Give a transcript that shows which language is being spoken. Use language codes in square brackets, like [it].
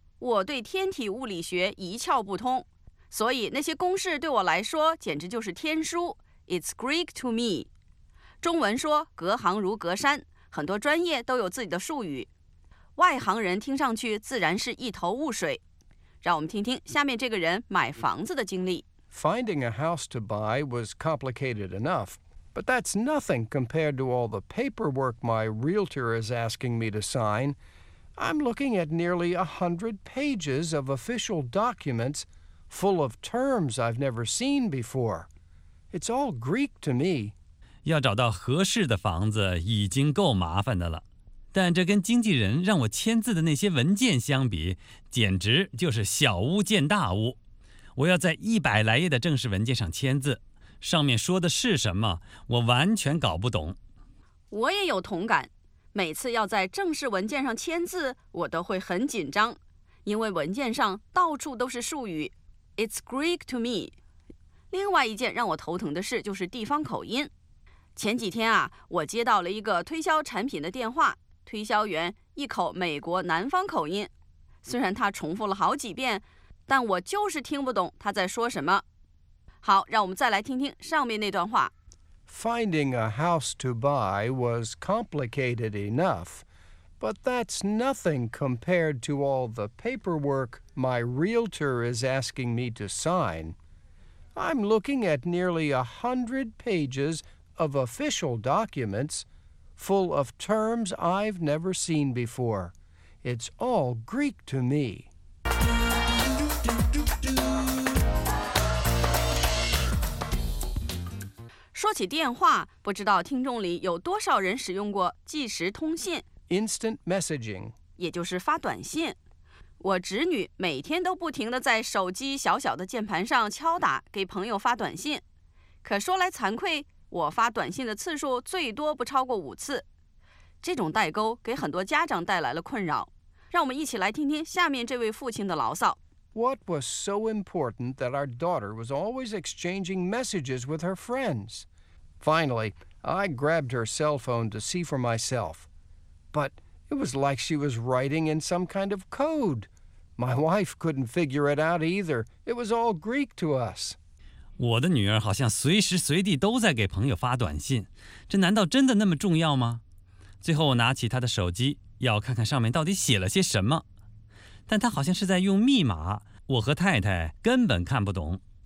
[zh] 我对天体物理学一窍不通。所以那些公式对我来说简直就是天书 [en] It's Greek to me [zh] 中文说隔行如隔山很多专业都有自己的术语外行人听上去自然是一头雾水让我们听听下面这个人买房子的经历 [en] Finding a house to buy was complicated enough But that's nothing compared to all the paperwork my realtor is asking me to sign I'm looking at nearly 100 pages of official documentsFull of terms I've never seen before. It's all Greek to me. [zh] 要找到合适的房子已经够麻烦的了，但这跟经纪人让我签字的那些文件相比，简直就是小巫见大巫。我要在100来页的正式文件上签字，上面说的是什么，我完全搞不懂。我也有同感。每次要在正式文件上签字，我都会很紧张，因为文件上到处都是术语 [en] It's Greek to me。 [zh] 另外一件让我头疼的事就是地方口音。前几天啊，我接到了一个推销产品的电话，推销员一口美国南方口音，虽然他重复了好几遍，但我就是听不懂他在说什么。好，让我们再来听听上面那段话。 [en] Finding a house to buy was complicated enough, but that's nothing compared to all the paperwork my realtor is asking me to sign. I'm looking at nearly 100 pages of official documents full of terms I've never seen before. It's all Greek to me. Do-do-do-do-do. [zh] 说起电话，不知道听众里有多少人使用过即时通信 [en] Instant messaging， [zh] 也就是发短信。我侄女每天都不停地在手机小小的键盘上敲打给朋友发短信，可说来惭愧，我发短信的次数最多不超过5次。这种代沟给很多家长带来了困扰，让我们一起来听听下面这位父亲的牢骚。 [en] What was so important that our daughter was always exchanging messages with her friends? Finally, I grabbed her cell phone to see for myself. But it was like she was writing in some kind of code. My wife couldn't figure it out either. It was all Greek to us. [zh] 我的女儿好像随时随地都在给朋友发短信。这难道真的那么重要吗？最后我拿起她的手机，要看看上面到底写了些什么。但他好像是在用密码，我和太太根本看不懂。